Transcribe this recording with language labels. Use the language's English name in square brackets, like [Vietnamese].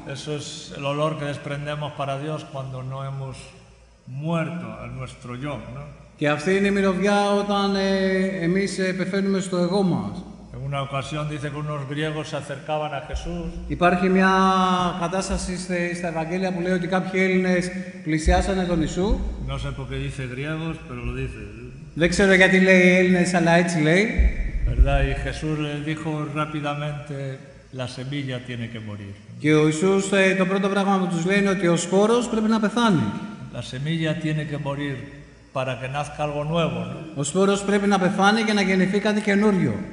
[Spanish] Eso es el olor que desprendemos para Dios cuando no hemos muerto a nuestro yo, ¿no? [Greek] Και αυτή είναι η μυρωδιά όταν εμείς πεθαίνουμε στο εγώ μας. [Spanish] En una ocasión dice que unos griegos se acercaban a Jesús. [Greek] Υπάρχει μια κατάσταση στα Ευαγγέλια που λέει ότι κάποιοι Έλληνες πλησιάσανε τον Ιησού. [Spanish] No sé por qué dice griegos, pero lo dice. [Greek] Δεν ξέρω γιατί λέει Έλληνες, αλλά έτσι λέει. [Spanish] ¿Verdad? Y Jesús le dijo rápidamente, la semilla tiene que morir. [Greek] Και ο Ιησούς το πρώτο πράγμα που τους λέει είναι ότι ο σπόρος πρέπει να πεθάνει. [Spanish] La semilla tiene que morir. Para que nazca algo nuevo, ¿no? [Greek] Ο σπόρος πρέπει να πεθάνει για να γεννηθεί κάτι καινούριο.